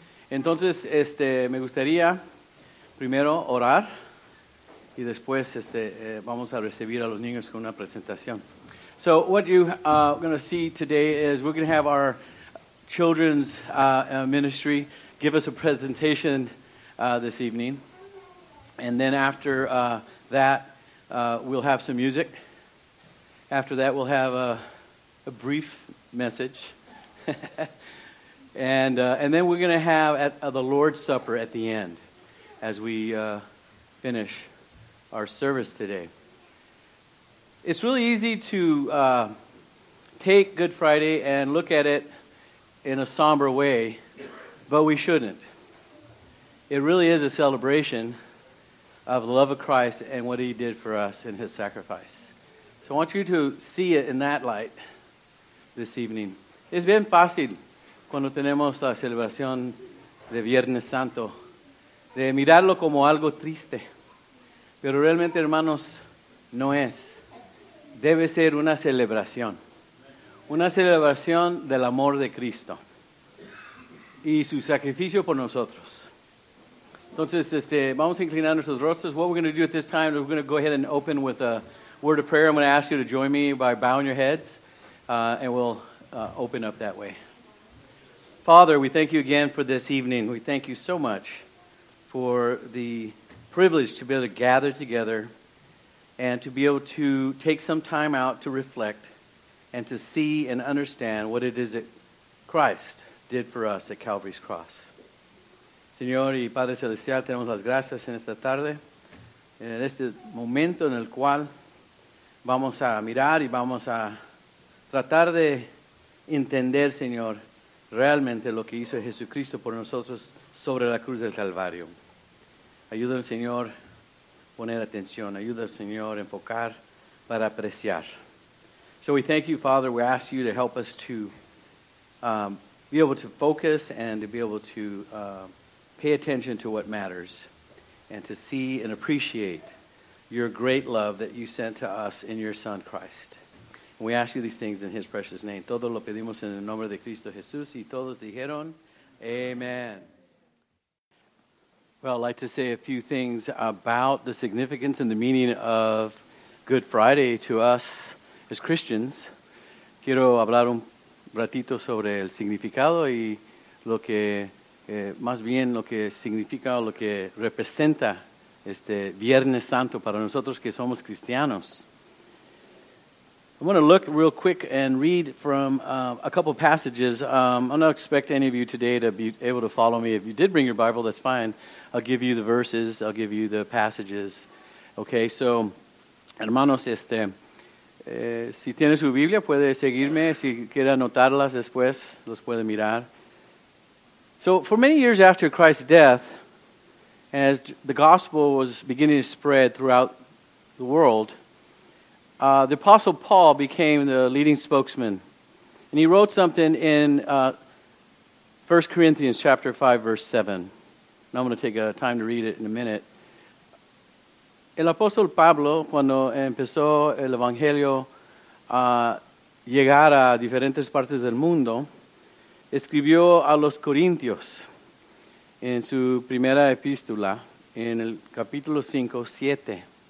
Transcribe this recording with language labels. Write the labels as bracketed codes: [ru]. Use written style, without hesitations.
[es] Entonces, me gustaría primero orar y después vamos a recibir a los niños con una presentación. [en] So what you are going to see today is we're going to have our children's ministry give us a presentation this evening, and then after that, we'll have some music. After that, we'll have a brief message, and then we're going to have at the Lord's Supper at the end, as we finish our service today. It's really easy to take Good Friday and look at it in a somber way. But we shouldn't. It really is a celebration of the love of Christ and what he did for us in his sacrifice. So I want you to see it in that light this evening. [es] Es bien fácil cuando tenemos la celebración de Viernes Santo de mirarlo como algo triste. Pero realmente, hermanos, no es. Debe ser una celebración. Una celebración del amor de Cristo. Y su sacrificio por nosotros. Entonces, vamos a inclinar nuestros rostros. [en] What we're going to do at this time is we're going to go ahead and open with a word of prayer. I'm going to ask you to join me by bowing your heads, and we'll open up that way. Father, we thank you again for this evening. We thank you so much for the privilege to be able to gather together and to be able to take some time out to reflect and to see and understand what it is that Christ did for us at Calvary's cross. [es] Señor y Padre Celestial, tenemos las gracias en esta tarde, en este momento en el cual vamos a mirar y vamos a tratar de entender, Señor, realmente lo que hizo Jesucristo por nosotros sobre la cruz del Calvario. Ayúdame, Señor, poner atención. Ayúdame, Señor, enfocar para apreciar. So we thank you, Father. [en] We ask you to help us to be able to focus and to be able to pay attention to what matters and to see and appreciate your great love that you sent to us in your Son, Christ. And we ask you these things in his precious name. [es] Todo lo pedimos en el nombre de Cristo Jesús y todos dijeron, Amen. [en] Well, I'd like to say a few things about the significance and the meaning of Good Friday to us as Christians. [es] Quiero hablar un ratito sobre el significado y lo que, más bien lo que significa o lo que representa Viernes Santo para nosotros que somos cristianos. [en] I'm going to look real quick and read from a couple of passages. I don't expect any of you today to be able to follow me. If you did bring your Bible, that's fine. I'll give you the verses. I'll give you the passages. [es] Okay, so, hermanos, si tiene su Biblia, puede seguirme. Si quiere anotarlas después, los puede mirar. [en] So, for many years after Christ's death, as the gospel was beginning to spread throughout the world, the Apostle Paul became the leading spokesman. And he wrote something in 1 Corinthians chapter 5, verse 7. And I'm going to take time to read it in a minute. [es] El apóstol Pablo, cuando empezó el Evangelio a llegar a diferentes partes del mundo, escribió a los corintios en su primera epístola, en el capítulo 5, 7.